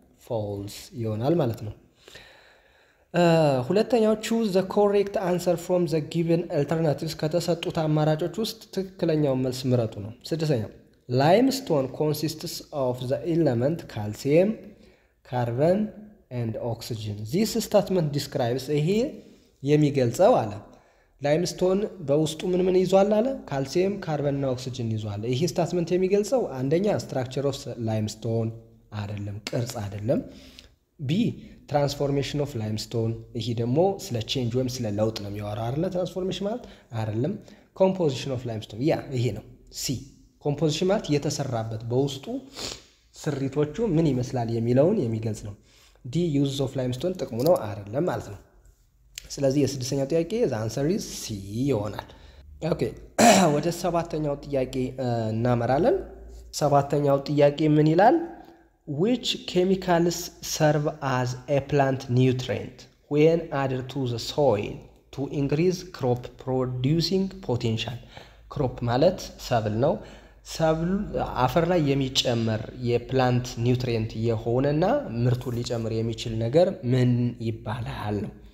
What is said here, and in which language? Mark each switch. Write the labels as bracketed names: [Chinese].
[Amharic] ፎልስ ይሆናል ማለት ነው። ሁለተኛው [English] choose the correct answer from the given alternatives [Amharic] ከተሰጡት አማራጮች ውስጥ ትክክለኛው መልስ ምረጡ ነው። ስድስተኛው [English] limestone consists of the element calcium, carbon and oxygen. This statement describes [Amharic] ይሄ የሚገልጸው አለ limestone በውስጡ ምን ምን ይዟል አለ? calcium, carbon እና oxygen ይዟል። ይሄ statement የሚገልጸው አንደኛ [English] structure of limestone [Amharic] አይደለም፣ ቅርጽ አይደለም። b [English] transformation of limestone [Amharic] ይሄ ደግሞ ስለ change ወይም ስለ ለውጥ ነው የሚያወራ አይደለ? transformation ማለት አይደለም። [English] composition of limestone [Amharic] ያ ይሄ ነው። c composition ማለት የተሰራበት በውስጡ ስሪቶቹ ምን ይመስላል የሚለውን የሚገልጽ ነው። d [English] uses of limestone [Amharic] ጥቅሙ ነው አይደለም ማለት ነው። ስለዚህ የስድስተኛው ጥያቄ [English] ዘ አንሰር ኢዝ ሲ [Amharic] ይሆናል። ኦኬ ወደ ሰባተኛው ጥያቄ እናመራለን። ሰባተኛው ጥያቄ ምን ይላል? [English] Which chemicals serve as a plant nutrient when added to the soil to increase crop producing potential? [Amharic] Crop ማለት ሰብል ነው። ሰብል አፈር ላይ የሚጨመር የፕላንት ኒውትሪየንት የሆነና ምርቱን ሊጨምር የሚችል ነገር ምን ይባላል ነው?